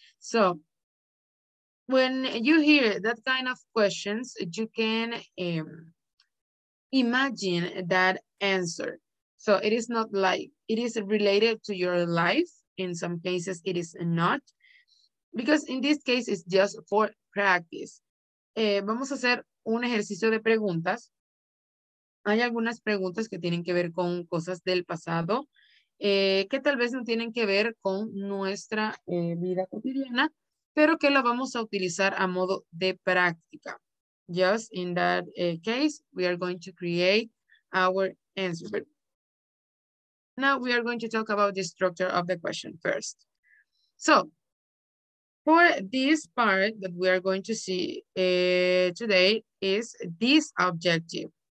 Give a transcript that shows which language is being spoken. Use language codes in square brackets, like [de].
[en] So when you hear that kind of questions, you can imagine that answer. So it is not like it is related to your life. In some cases, it is not. Because in this case, it's just for practice. [es] Vamos a hacer un ejercicio de preguntas. Hay algunas preguntas que tienen que ver con cosas del pasado que tal vez no tienen que ver con nuestra vida cotidiana, pero que la vamos a utilizar a modo de práctica. [en] Just in that case, we are going to create our answer. Now we are going to talk about the structure of the question first. So for this part that we are going to see today is this objective.